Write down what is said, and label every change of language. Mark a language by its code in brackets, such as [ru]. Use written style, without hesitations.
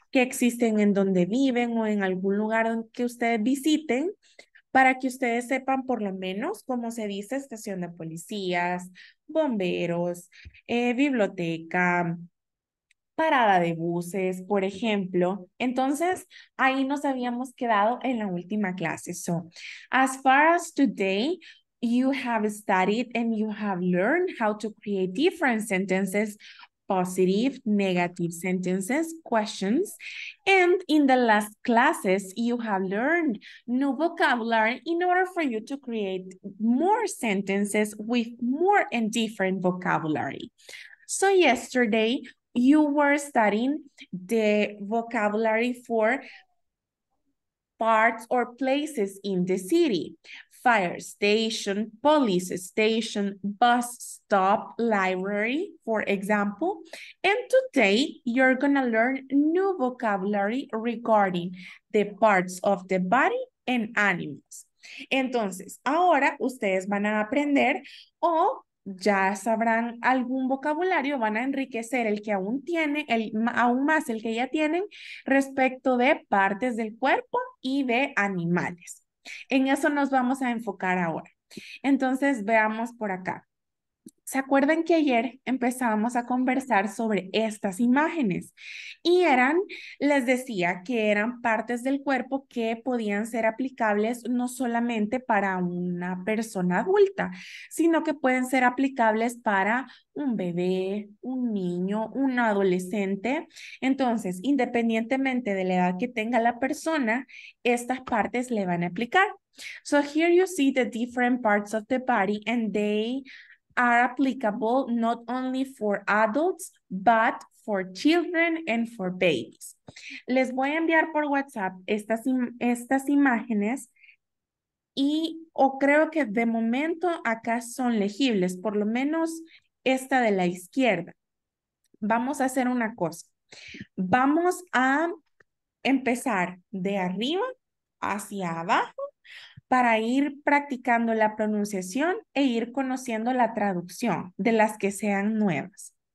[es] que existen en donde viven o en algún lugar que ustedes visiten, para que ustedes sepan por lo menos cómo se dice estación de policías, bomberos, biblioteca, parada de buses, por ejemplo. Entonces, ahí nos habíamos quedado en la última clase. [en] So, as far as today, you have studied and you have learned how to create different sentences, positive, negative sentences, questions. And in the last classes, you have learned new vocabulary in order for you to create more sentences with more and different vocabulary. So yesterday, you were studying the vocabulary for parts or places in the city: fire station, police station, bus stop, library, for example. And today you're gonna learn new vocabulary regarding the parts of the body and animals. [es] Entonces, ahora ustedes van a aprender o ya sabrán algún vocabulario, van a enriquecer el que aún tiene, aún más el que ya tienen respecto de partes del cuerpo y de animales. En eso nos vamos a enfocar ahora. Entonces, veamos por acá. ¿Se acuerdan que ayer empezábamos a conversar sobre estas imágenes? Y eran, les decía, que eran partes del cuerpo que podían ser aplicables no solamente para una persona adulta, sino que pueden ser aplicables para un bebé, un niño, un adolescente. Entonces, independientemente de la edad que tenga la persona, estas partes le van a aplicar. [en] So here you see the different parts of the body and they are applicable not only for adults, but for children and for babies. [es] Les voy a enviar por WhatsApp estas imágenes o creo que de momento acá son legibles, por lo menos esta de la izquierda. Vamos a hacer una cosa. Vamos a empezar de arriba hacia abajo, para ir practicando la pronunciación e ir conociendo la traducción de las que sean nuevas.